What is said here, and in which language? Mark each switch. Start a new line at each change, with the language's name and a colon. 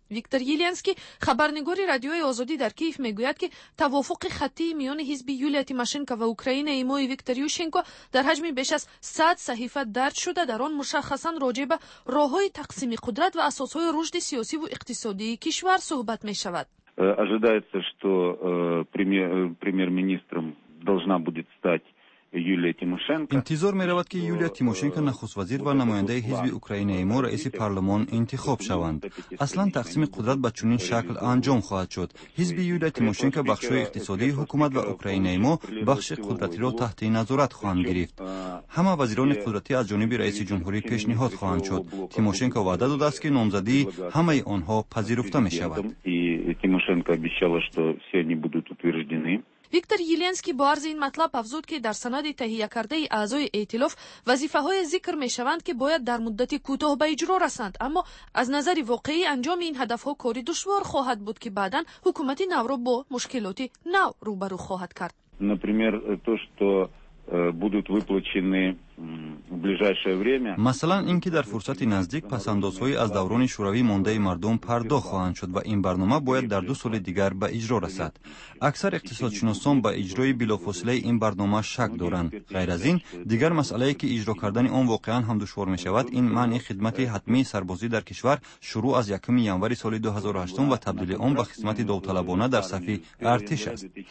Persian: ویکتور یلینسکی خبرنگار رادیوی آزادی در کیف میگوید که توافق خطی میان حزب یولیا تیماشنکا و اوکراین ایمای ویکتور یوشینکا در حجم بیش از 100 صحیفه درج شده، در آن مشخصا راجع به راههای تقسیم قدرت و اساسهای رشد سیاسی و اقتصادی کشور صحبت می شود.
Russian: Ожидается, что премьер-министром должна будет стать
Persian: انتظار می رود که یولیا تیموشنکا نخست وزیر و نماینده حزب اوکراین ایمو رئیس پارلمان انتخاب شوند. اصلا تقسیم قدرت به چنین شکل انجام خواهد شد. حزب یولیا تیموشنکا بخش اقتصادی حکومت و اوکراین ایمو بخش قدرتی را تحت نظارت خواهند گرفت. همه وزیران قدرتی از جانب رئیس جمهوری پیشنهاد خواهند شد. تیموشنکا وعده داده است که نامزدی همه آنها پذیرفته می شود. ویکتور یلینسکی با عرض این مطلب افزود که در سند تهیه کرده اعضای ائتلاف وظیفه های ذکر می شوند که باید در مدت کوتاه به اجرا رسند، اما از نظر واقعی انجام این هدف ها کاری دشوار خواهد بود که بعدا حکومت نو را با مشکلات نو روبرو خواهد کرد.
Russian: Например, то, что будут выплачены в ближайшее время.
Persian: مثلا اینکه در فرصت نزدیک پسندازهای از دوران شوروی مانده مردم پرداخت خواهند شد و این برنامه باید در دو سال دیگر به اجرا رسد. اکثر اقتصادشناسان به اجرای بلافاصله این برنامه شک دارند. غیر از این دیگر مسئله‌ای که اجرا کردن آن واقعا هم دشوار می‌شود این معنی خدمت حتمی سربازی در کشور شروع از 1 ژانویه سال 2008 و تبدیل آن به خدمت داوطلبانه در صف ارتش است.